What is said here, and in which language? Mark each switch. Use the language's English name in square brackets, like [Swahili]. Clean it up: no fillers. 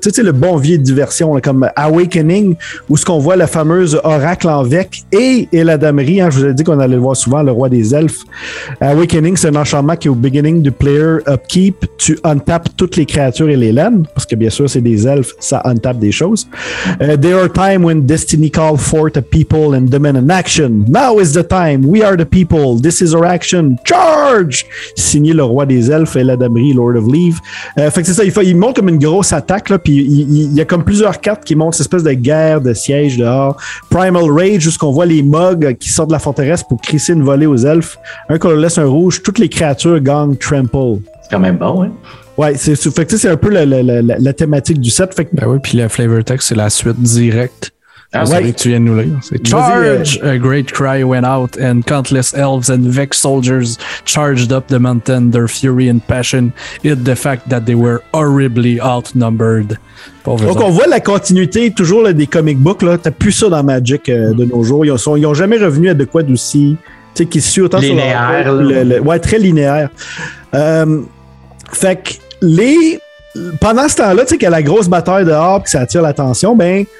[French] Tu sais, le bon vieux de diversion, là, comme Awakening, où ce qu'on voit le fameux oracle en Vec et Eladamri. Hein, je vous ai dit qu'on allait le voir souvent, le roi des elfes. Awakening, c'est un enchantement qui est au beginning du player upkeep. Tu untapes toutes les créatures et les laines, parce que bien sûr, c'est des elfes, ça untape des choses. [English] There are times when destiny calls forth a people and demand an action. Now is the time. We are the people. This is our action. Charge! [French] Signé le roi des elfes. Eladamri, Lord of Leave. Fait que c'est ça, il monte comme une grosse attaque, là, puis il y a comme plusieurs cartes qui montrent cette espèce de guerre, de siège dehors. Primal Rage, où on voit les mugs qui sortent de la forteresse pour crisser une volée aux elfes. Un colorless, un rouge, toutes les créatures gang trample. C'est quand même bon, hein? Ouais, fait que c'est un peu la thématique du set. Ben oui, puis le Flavor Text, c'est la suite directe. Ah, ouais. Tu viens de nous lire. C'est charge! [English] A great cry went out, and countless elves and vex soldiers charged up the mountain, their fury and passion hid the fact that they were horribly outnumbered. [French] Pauvres donc, on voit la continuité toujours là, des comic books. Là. T'as plus ça dans Magic de nos jours. Ils ont jamais revenu à de quoi d'aussi. Tu sais, qui suit autant linéaire, sur ouais, très linéaire. Fait que pendant ce temps-là, tu sais, qu'il y a la grosse bataille dehors et ça attire l'attention, ben.